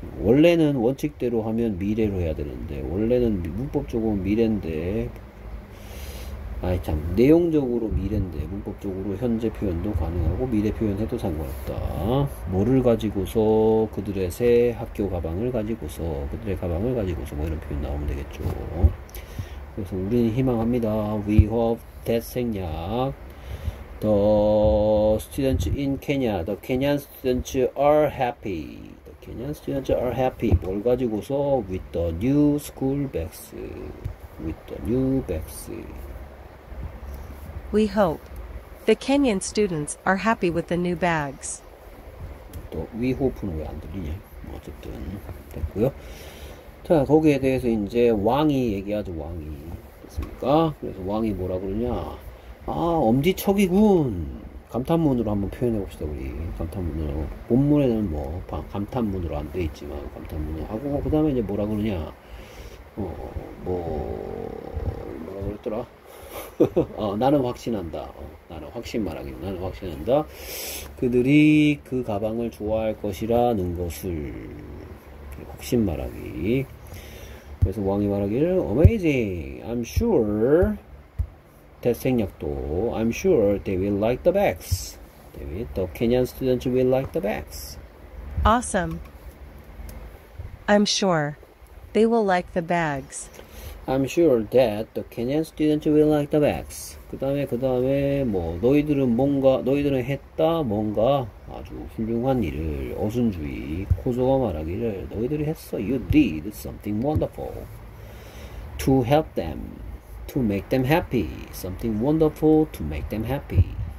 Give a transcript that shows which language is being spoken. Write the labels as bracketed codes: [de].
[ko] 원래는 원칙대로 하면 미래로 해야 되는데, 원래는 문법적으로 미래인데, 아이 참, 내용적으로 미래인데, 문법적으로 현재 표현도 가능하고, 미래 표현해도 상관없다. 뭐를 가지고서, 그들의 새 학교 가방을 가지고서, 그들의 가방을 가지고서, 뭐 이런 표현 나오면 되겠죠. 그래서 우리는 희망합니다. [en] We hope that [ko] 생략. [en] The students in Kenya, the Kenyan students are happy. The Kenyan students are happy. [ko] 뭘 가지고서? [en] With the new school bags. With the new bags. We hope the Kenyan students are happy with the new bags. The we hope [ko] 는 왜안 들리냐? 뭐 어쨌든 됐고요. 자, 거기에 대해서 이제 왕이 얘기하죠. 왕이. 그렇습니까? 그래서 왕이 뭐라 그러냐? 아, 엄지척이군. 감탄문으로 한번 표현해 봅시다, 우리. 감탄문으로. 본문에는 뭐, 감탄문으로 안돼 있지만, 감탄문으로 하고, 그 다음에 이제 뭐라 그러냐. 뭐라 그랬더라? 나는 확신한다. 나는 확신 말하기. 나는 확신한다. 그들이 그 가방을 좋아할 것이라는 것을. 확신 말하기. 그래서 왕이 말하기를, Amazing. [en] I'm sure. [ko] 대생략도 [en] I'm sure they will like the bags. The Kenyan students will like the bags. Awesome. I'm sure they will like the bags. I'm sure that the Kenyan students will like the bags. [ko] 그 다음에 뭐 너희들은 했다 뭔가 아주 훌륭한 일을 어순주의 코조가 말하기를 너희들이 했어. [en] You did something wonderful to help them. To make them happy, something wonderful to make them happy.